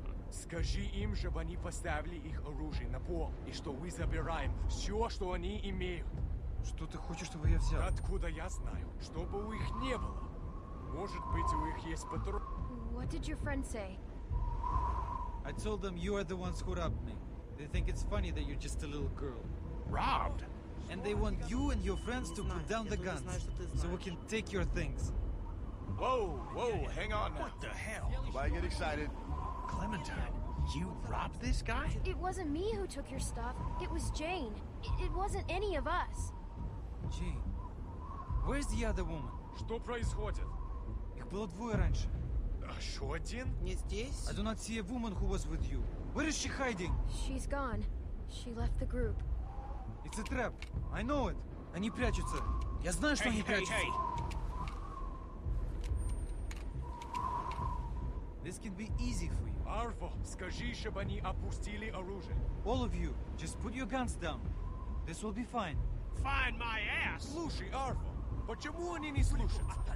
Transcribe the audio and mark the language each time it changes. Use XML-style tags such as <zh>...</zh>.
<ru>Скажи им, чтобы они поставили их оружие на пол, и что мы забираем все, что они имеют. Что ты хочешь, чтобы я взял? Откуда я знаю? Чтобы у их не было. Может быть, у их есть патрон.</ru> <en>What did your friend say? I told them you are the ones who robbed me. They think it's funny that you're just a little girl. Robbed? And they want you and your friends to put down the guns, so we can take your things. Whoa, hang on now. What the hell? Why get excited? Clementine, you robbed this guy? It wasn't me who took your stuff. It was Jane. It wasn't any of us. Jane, where's the other woman?</en> <ru>Что происходит? Их было двое раньше. Еще один? Не здесь.</ru> <en>I do not see a woman who was with you. Where is she hiding? She's gone. She left the group. It's a trap. I know it. Они прячутся. Я знаю, что они прячутся. This can be easy for you.</en> <ru>Arvo, скажи, чтобы они опустили оружие.</ru> <en>All of you, just put your guns down. This will be fine. Find my ass!</en> <ru>Слушай, Arvo, почему они не слушаются?</ru>